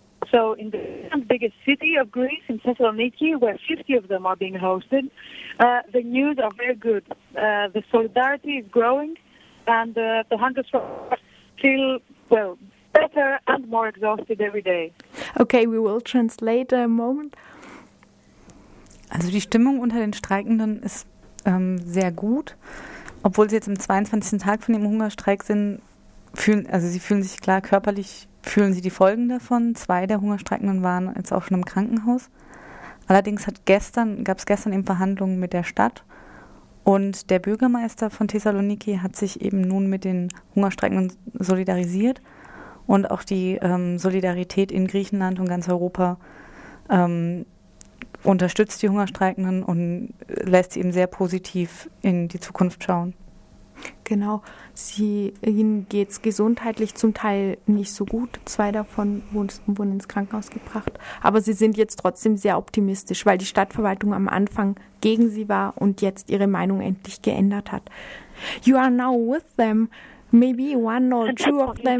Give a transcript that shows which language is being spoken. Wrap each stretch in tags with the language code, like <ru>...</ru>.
<en>So in the biggest city of Greece, in Thessaloniki, where 50 of them are being hosted, the news are very good. The solidarity is growing, and the hunger strike feel, well, better and more exhausted every day. Okay, we will translate a moment.</en> <de>Also die Stimmung unter den Streikenden ist sehr gut. Obwohl sie jetzt im 22. Tag von dem Hungerstreik sind, fühlen sich klar, körperlich fühlen sie die Folgen davon. Zwei der Hungerstreikenden waren jetzt auch schon im Krankenhaus. Allerdings gab es gestern eben Verhandlungen mit der Stadt. Und der Bürgermeister von Thessaloniki hat sich eben nun mit den Hungerstreikenden solidarisiert und auch die Solidarität in Griechenland und ganz Europa unterstützt die Hungerstreikenden und lässt sie eben sehr positiv in die Zukunft schauen. Genau, ihnen geht es gesundheitlich zum Teil nicht so gut. Zwei davon wurden ins Krankenhaus gebracht. Aber sie sind jetzt trotzdem sehr optimistisch, weil die Stadtverwaltung am Anfang gegen sie war und jetzt ihre Meinung endlich geändert hat.</de> <en>You are now with them, maybe one or two of them.</en>